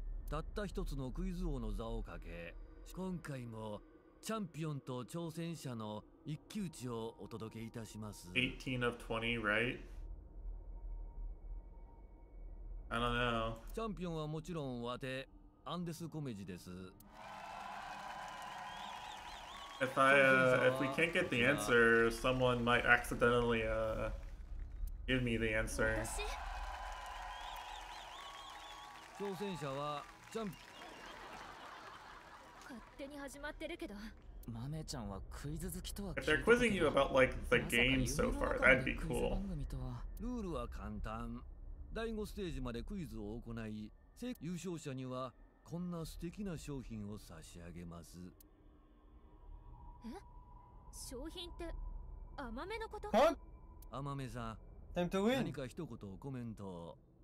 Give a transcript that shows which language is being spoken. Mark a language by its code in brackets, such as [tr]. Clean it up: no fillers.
[ja] たった一つのクイズ王の座をかけ、今回も。チャンピオンと挑戦者の一騎打ちをお届けいたします。 [en] 18 of 20, right? I don't know. [ja] チャンピオンはもちろんワテ、アンデスコメジです。 [en] If we can't get the answer, someone might accidentally give me the answer. [ja] 挑戦者はチャンピオン。勝手に始まってるけど。マメちゃんはクイズ好きとは [en] If they're quizzing you about like the game so far, that'd be cool. [ja] ルールは簡単。第5ステージまでクイズを行い、優勝者にはこんな素敵な商品を差し上げます。え、商品って甘めのこと？甘めさん、 [en] Time to win. [ja] 何か一言コメント。